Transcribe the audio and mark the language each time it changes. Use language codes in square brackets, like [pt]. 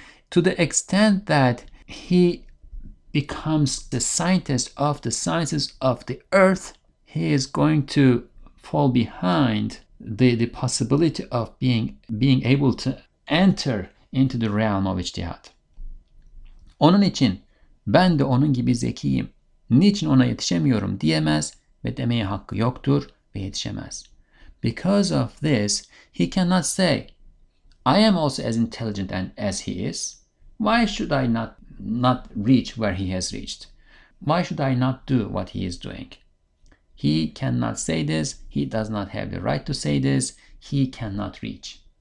[en] To the extent that he becomes the scientist of the sciences of the earth, he is going to fall behind the possibility of being able to enter into the realm of ijtihad. [tr] Onun için ben de onun gibi zekiyim. Niçin ona yetişemiyorum diyemez ve demeye hakkı yoktur ve yetişemez. [en] Because of this, he cannot say, I am also as intelligent as he is. Why should I not reach where he has reached? Why should I not do what he is doing? He cannot say this. He does not have the right to say this. He cannot reach.